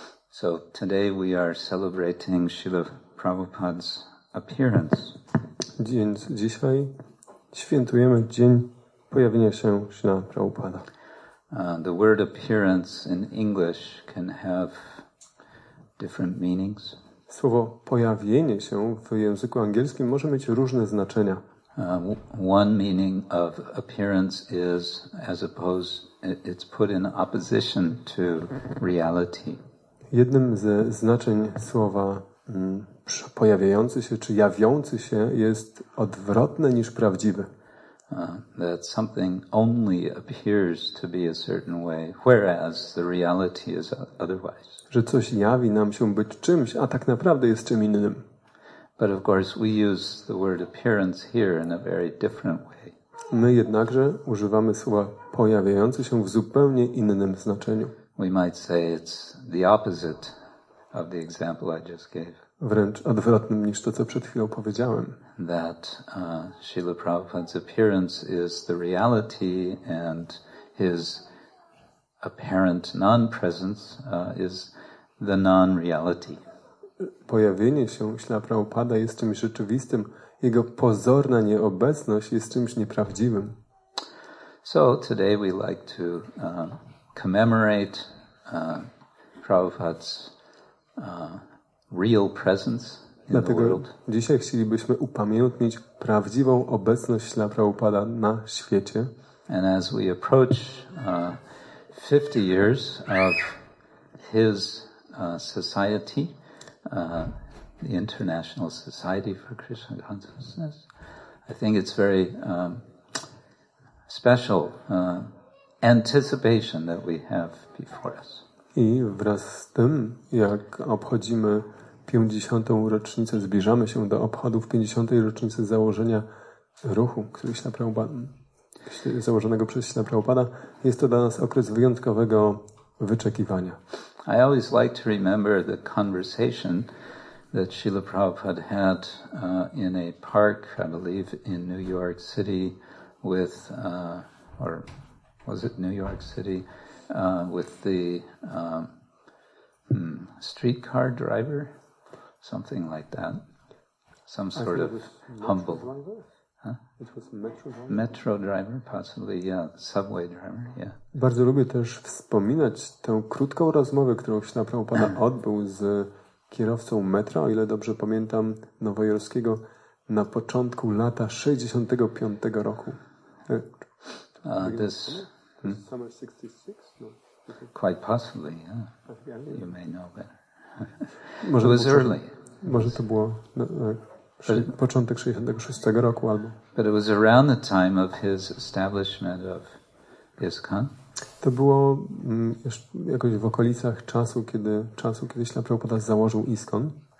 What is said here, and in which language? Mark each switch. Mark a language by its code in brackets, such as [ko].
[en] So today we are celebrating Srila Prabhupada's appearance. [pl] Dzisiaj świętujemy dzień pojawienia się Srila Prabhupada. [en] The word appearance in English can have different meanings. [pl] Słowo pojawienie się w języku angielskim może mieć różne znaczenia. [en] One meaning of appearance is as opposed, it's put in opposition to reality. [pl] Jednym ze znaczeń słowa pojawiający się czy jawiący się jest odwrotne niż prawdziwe. [en] That something only appears to be a certain way, whereas the reality is otherwise. [pl] Że coś jawi nam się być czymś, a tak naprawdę jest czym innym. [en] But of course we use the word appearance here in a very different way. [pl] My jednakże używamy słowa pojawiający się w zupełnie innym znaczeniu. [en] We might say it's the opposite of the example I just gave. [pl] Wręcz odwrotnym niż to, co przed chwilą powiedziałem. [en] That Srila Prabhupada's appearance is the reality and his apparent non-presence is the non-reality. [pl] Pojawienie się Śla Prabhupada jest czymś rzeczywistym. Jego pozorna nieobecność jest czymś nieprawdziwym. [en] So today we like to commemorate Prabhupada's real presence in [pl] Dlatego [en] the world. [pl] Dzisiaj chcielibyśmy upamiętnić prawdziwą obecność Śla Prabhupada na świecie. [en] And as we approach 50 years of his society, the International Society for Krishna Consciousness. I think it's very special anticipation that we have before us. [pl] I wraz z tym, jak obchodzimy 50. rocznicę, zbliżamy się do obchodów 50. rocznicy założenia ruchu, który się naprawdę założonego przez Śla Prabhupada, jest to dla nas okres wyjątkowego wyczekiwania. [en] I always like to remember the conversation that Śrīla Prabhupada had in a park, I believe, in New York City with, or was it New York City, with the streetcar driver, something like that, some sort of humble... It was metro driver, possibly, yeah, subway driver, yeah. [pl] Bardzo lubię też wspominać tę krótką rozmowę, którą Śla Prabhupada odbył z kierowcą metra, o ile dobrze pamiętam, nowojorskiego, na początku lata 65 roku. [en] This summer 66? No. Quite possibly, yeah. You may know better. It was early. [pl] Może to było... Początek 66 roku albo. [en] But it was around the time of his establishment of ISKCON. [pl] To było jakoś w okolicach czasu kiedy Śla Prabhupada założył ISKCON.